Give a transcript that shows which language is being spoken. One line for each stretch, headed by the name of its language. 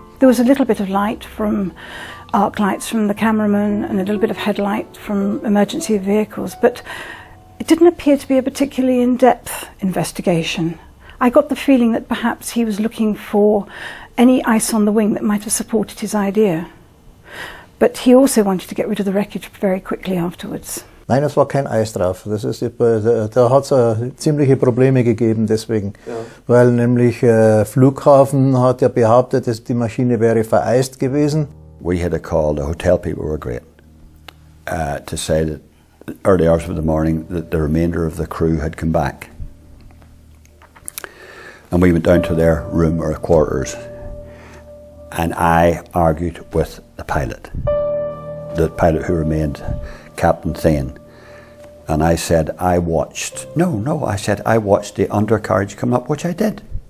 English: There was a little bit of light from arc lights from the cameraman and a little bit of headlight from emergency vehicles, but it didn't appear to be a particularly in-depth investigation. I got the feeling that perhaps he was looking for any ice on the wing that might have supported his idea. But he also wanted to get rid of the wreckage very quickly afterwards.
German: Nein, es war kein Eis drauf. Das ist, da hat es ziemliche Probleme gegeben deswegen. Ja. Weil nämlich Flughafen hat ja behauptet, dass die Maschine wäre vereist gewesen.
English: We had a call, the hotel people were great, to say that early hours of the morning that the remainder of the crew had come back. And we went down to their room or quarters. And I argued with the pilot who remained, Captain Thane, and I said, I watched the undercarriage come up, which I did.